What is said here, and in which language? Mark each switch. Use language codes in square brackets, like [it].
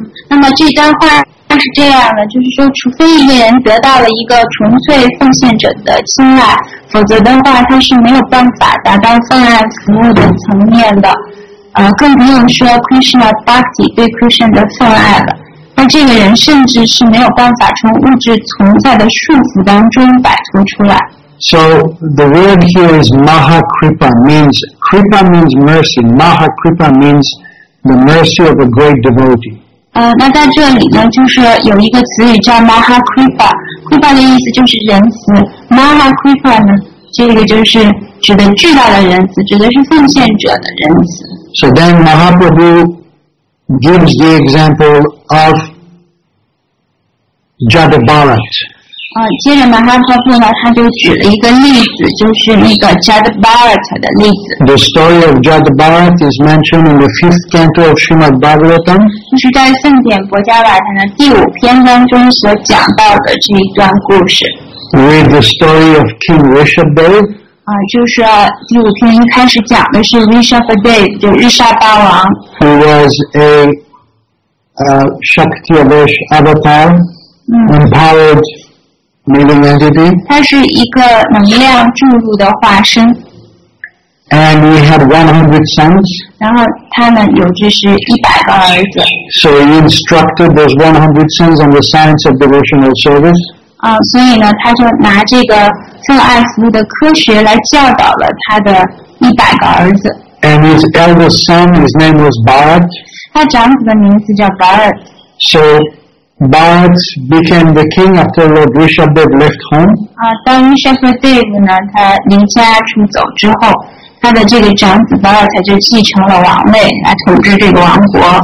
[zh] 那么这段话是这样的，就是说，除非一个人得到了一个纯粹奉献者的青睐，否则的话，他是没有办法达到奉爱服务的层面的。更不用说 Krishna Bhakti 对 Krishna 的奉爱了。那这个人甚至是没有办法从物质存在的束缚当中摆脱出来。 [en] So the word here is Mahakripa, means Kripa means mercy. Mahakripa means the mercy of a great devotee. [zh] 那在这里呢，就是有一个词语叫 Mahakripa. Kripa 的意思就是仁慈。Mahakripa 呢，这个就是指的巨大的仁慈，指的是奉献者的仁慈。 [en] So then Mahaprabhu gives the example of Jadabharat. [zh] 接着马哈帕布呢，他就举了一个例子，就是那个 Jadabharat 的例子。 [en] The story of Jadabharat is mentioned in the fifth canto of Srimad Bhagavatam. [zh] 就是在《圣典·博迦瓦坛》的第五篇当中所讲到的这一段故事。 [en] With the story of King Rishabhdev. [zh] 就是第五篇一开始讲的是 Rishabhdev， 就日沙巴王。 [en] Who was a Shakti Avesh avatar empowered living entity. [zh] 它是一个能量注入的化身。 [en] And he had 100 sons. [zh] 然后他呢，有就是100个儿子。 [en] So he instructed those 100 sons on the science of devotional service. [zh] 所以呢，他就拿这个奉爱服务的科学来教导了他的100个儿子。 [en] And his eldest son, his name was Bharat. [zh] 他长子的名字叫 Bharat. [en] So Bharat became the king after Lord Rishabhadev left home. When [zh] Rishabhadev 呢，他离家出走之后，他的这个长子 Bharat 就继承了王位，来统治这个王国。